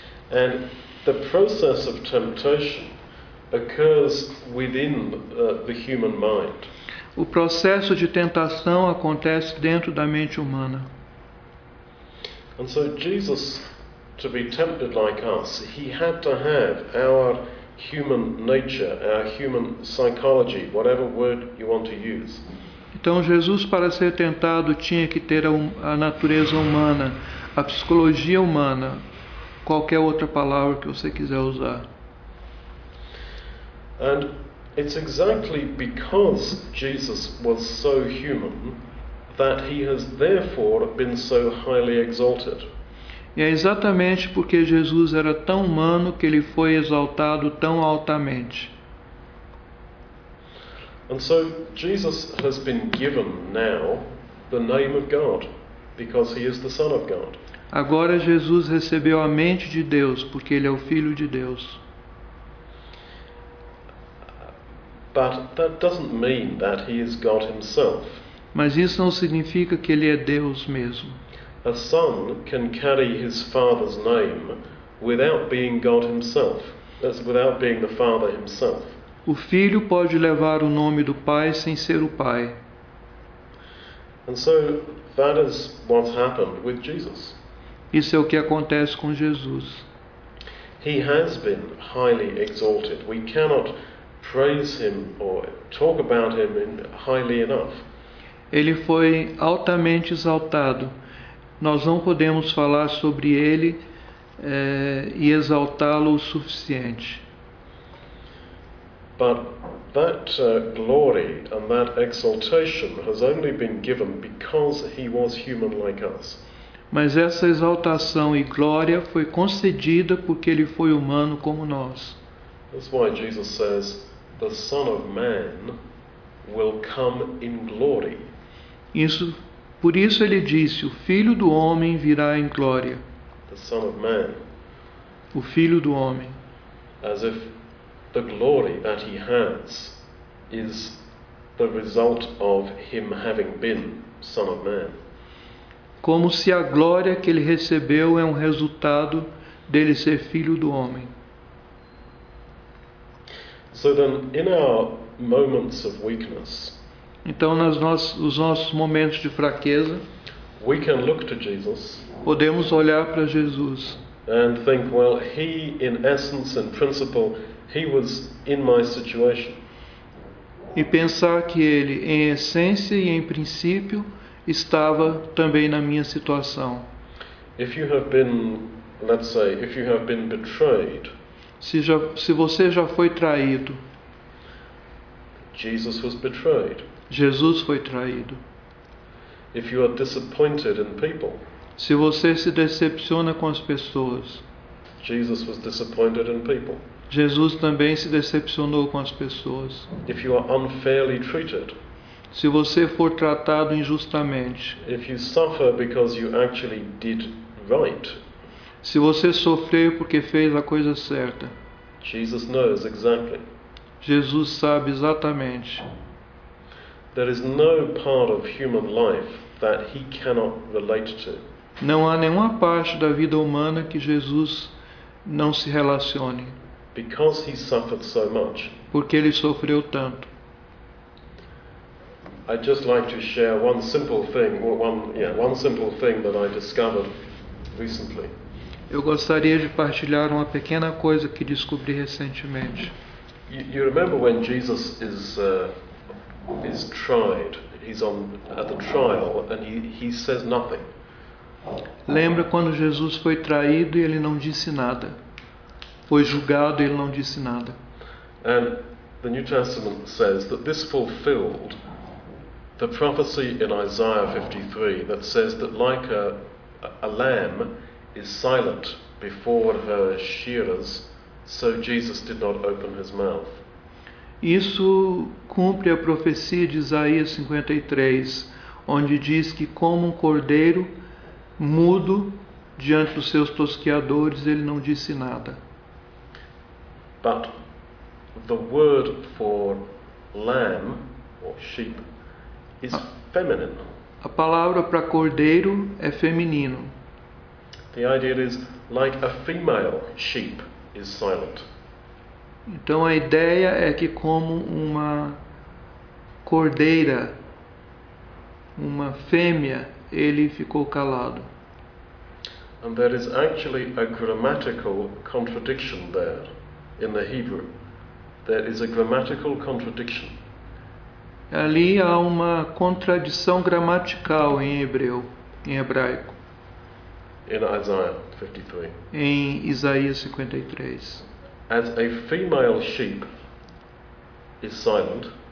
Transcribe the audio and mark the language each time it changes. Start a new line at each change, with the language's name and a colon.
English: And the process of temptation occurs within the human mind.
Portuguese: O processo de tentação acontece dentro da mente humana.
English: And so Jesus, to be tempted like us, he had to have our human nature, our human psychology, whatever word you want to use.
Portuguese: Então Jesus, para ser tentado, tinha que ter a natureza humana, a psicologia humana, qualquer outra palavra que você quiser usar.
English: And it's exactly because Jesus was so human that he has therefore been so highly exalted.
Portuguese: E é exatamente porque Jesus era tão humano que ele foi exaltado tão altamente.
English: And so Jesus has been given now the name of God because he is the Son of God.
Portuguese: Agora Jesus recebeu a mente de Deus porque ele é o Filho de Deus.
English: But that doesn't mean that he is God himself.
Portuguese: Mas isso não significa que ele é Deus mesmo.
English: A son can carry his father's name without being God himself. That's without being the father himself.
Portuguese: O filho pode levar o nome do pai sem ser o pai.
English: And so that is what's happened with Jesus.
Portuguese: Isso é o que acontece com Jesus.
English: He has been highly exalted. We cannot praise him or talk about him highly enough.
Portuguese: Ele foi altamente exaltado. Nós não podemos falar sobre ele e exaltá-lo o suficiente.
English: But that glory and that exaltation has only been given because he was human like us.
Portuguese: Mas essa exaltação e glória foi concedida porque ele foi humano como nós.
English: That's why Jesus says, the Son of Man will come in glory.
Portuguese: Isso, por isso ele disse, o Filho do Homem virá em glória.
English: The Son of Man.
Portuguese: O Filho do Homem.
English: As if the glory that he has is the result of him having been Son of Man.
Portuguese: Como se a glória que ele recebeu é um resultado dele ser Filho do Homem.
English: So then, in our moments of weakness,
Portuguese: então, nos nossos momentos de fraqueza,
English: we can look to Jesus,
Portuguese: podemos olhar para Jesus
English: and think, well, he, in essence and principle, he was in my situation.
Portuguese: E pensar que ele, em essência e em princípio, estava também na minha situação.
English: If you have been, let's say, if you have been betrayed,
Portuguese: se você já foi traído,
English: Jesus was betrayed.
Portuguese: Jesus foi traído.
English: If you are disappointed in people,
Portuguese: se você se decepciona com as pessoas,
English: Jesus was disappointed in people.
Portuguese: Jesus também se decepcionou com as pessoas.
English: If you are unfairly treated,
Portuguese: se você for tratado injustamente,
English: if you suffer because you actually did right,
Portuguese: se você sofrer porque fez a coisa certa,
English: Jesus knows exactly.
Portuguese: Jesus sabe exatamente.
English: There is no part of human life that he cannot relate to.
Portuguese: Não há nenhuma parte da vida humana que Jesus não se relacione.
English: Because he suffered so much.
Portuguese: Porque ele sofreu tanto.
English: I'd just like to share one simple thing that I discovered recently.
Portuguese: Eu gostaria de partilhar uma pequena coisa que descobri recentemente.
English: You remember when Jesus is tried, he's on at the trial and he says nothing.
Portuguese: Lembra quando Jesus foi traído e ele não disse nada? Foi julgado e ele não disse nada.
English: And the New Testament says that this fulfilled the prophecy in Isaiah 53 that says that like a lamb is silent before her shearers, so Jesus did not open his mouth.
Portuguese: Isso cumpre a profecia de Isaías 53, onde diz que como um cordeiro mudo diante dos seus tosqueadores, ele não disse nada.
English: But the word for lamb or sheep is feminine.
Portuguese: A palavra para cordeiro é feminino.
English: The idea is like a female sheep is silent.
Portuguese: Então a ideia é que como uma cordeira, uma fêmea, ele ficou calado.
English: And there is actually a grammatical contradiction there in the Hebrew. There is a grammatical contradiction.
Portuguese: Ali há uma contradição gramatical em hebreu, em hebraico.
English: In Isaiah 53.
Portuguese: Em Isaías 53.
English: As a female sheep is silent.